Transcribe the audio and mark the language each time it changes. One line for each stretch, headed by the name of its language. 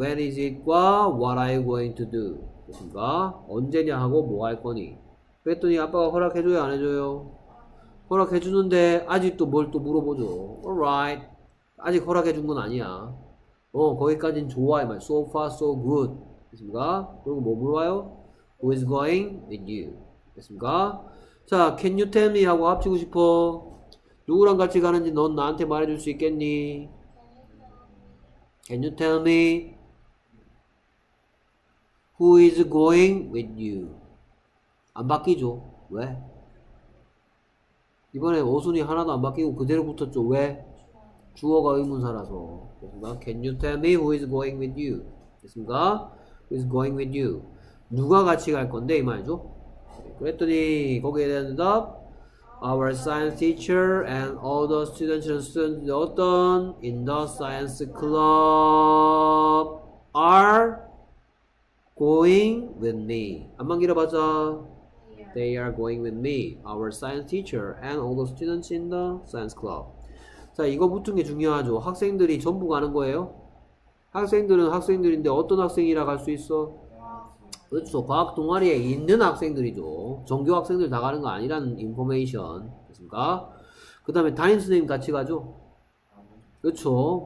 English: When is it과 what are you going to do?
Korean: 그러니까 언제냐 하고 뭐 할 거니? 그랬더니 아빠가 허락해줘요 안해줘요? 허락해주는데 아직도 뭘 또 물어보죠.
English: Alright.
Korean: 아직 허락해준 건 아니야. 거기까진 좋아 이 말.
English: So far so good.
Korean: 됐습니까? 그리고 뭐 물어봐요?
English: Who is going with you?
Korean: 됐습니까? 자
English: Can you tell me
Korean: 하고 합치고 싶어. 누구랑 같이 가는지 넌 나한테 말해줄 수 있겠니?
English: Can you tell me Who is going with you?
Korean: 안 바뀌죠. 왜? 이번에 어순이 하나도 안 바뀌고 그대로 붙었죠. 왜? 주어가 의문사라서. 됐습니까?
English: Can you tell me who is going with you?
Korean: 됐습니까?
English: Who is going with you?
Korean: 누가 같이 갈 건데? 이 말이죠. 그랬더니 거기에 대한 대답.
English: Our science teacher and all the students
Korean: 어떤
English: in the science club are going with me.
Korean: 안만 길어봤자.
English: They are going with me, our science teacher, and all the students in the science club.
Korean: 자, 이거 붙은 게 중요하죠. 학생들이 전부 가는 거예요? 학생들은 학생들인데 어떤 학생이라 갈 수 있어? 그렇죠. 과학 동아리에 있는 학생들이죠. 정규 학생들 다 가는 거 아니라는 information. 됐습니까? 그 다음에 담임 선생님 같이 가죠? 그렇죠.